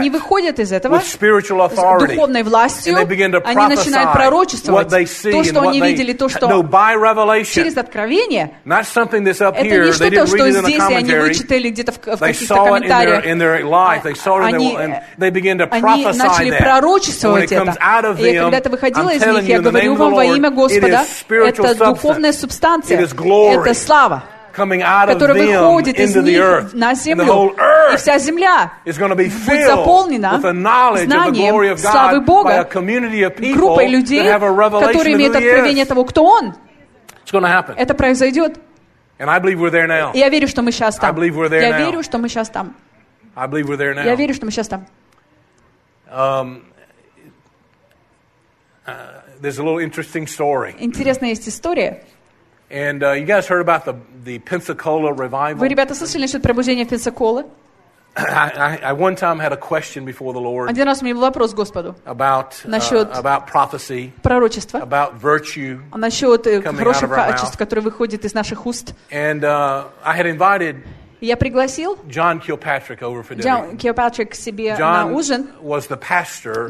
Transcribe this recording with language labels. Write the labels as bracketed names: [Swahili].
[Russian] этого, [English] with spiritual authority. [Russian] Властью, [English] and they begin to prophesy what they see [Russian] то, [English] and what [Russian] то, [English] they know by revelation. Not something that's up here. They didn't read it in a commentary. They saw it in their life. They saw it in their and they begin [Russian] они начали пророчествовать это. [English] Them, [Russian] и когда это выходило из них, я говорю вам во имя Господа, это духовная субстанция, это слава, которая выходит из них на землю. И вся земля будет заполнена знанием славы Бога, группой людей, которые имеют откровение того, кто Он. Это произойдет. И я верю, что мы сейчас там. Я верю, что мы сейчас там. Я верю, что мы сейчас там. [English] There's a little interesting story. [Russian] Интересная есть история. [English] And you guys heard about the Pensacola revival? [Russian] Вы ребята слышали насчет пробуждения в Пенсаколе? [English] I one time had a question before the Lord. [Russian] Один раз у меня был вопрос Господу. [English] About [Russian] насчет [English] about prophecy. [Russian] Пророчество. [English] About virtue. [Russian] Насчет хороших качеств, которые выходят из наших уст. [English] And I had invited [Russian] Я пригласил [English] John Kilpatrick over for dinner. [Russian] John Kilpatrick себе John на ужин. [English] Was the pastor